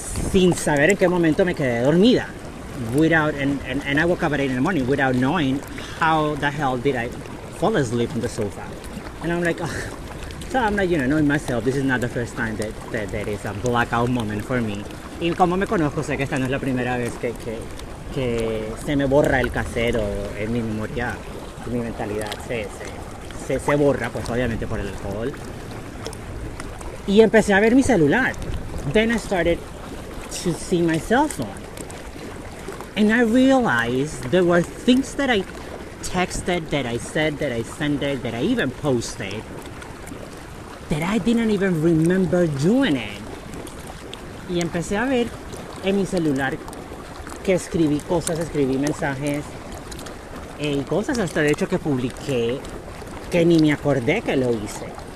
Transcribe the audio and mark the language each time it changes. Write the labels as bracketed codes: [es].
[es] Sin saber en qué momento me quedé dormida. [en] I woke up at 8 in the morning without knowing how the hell did I fall asleep on the sofa. And I'm like, ugh. So I'm like, you know, knowing myself, this is not the first time that there is a blackout moment for me. [es] Y como me conozco, sé que esta no es la primera vez que se me borra el casero en mi memoria, en mi mentalidad. Se borra, pues obviamente por el alcohol. Y empecé a ver mi celular. [en] Then I started to see my cell phone, and I realized there were things that I texted, that I said, that I sent it, that I even posted, that I didn't even remember doing it. [es] Y empecé a ver en mi celular que escribí cosas, escribí mensajes y cosas hasta de hecho que publiqué que ni me acordé que lo hice.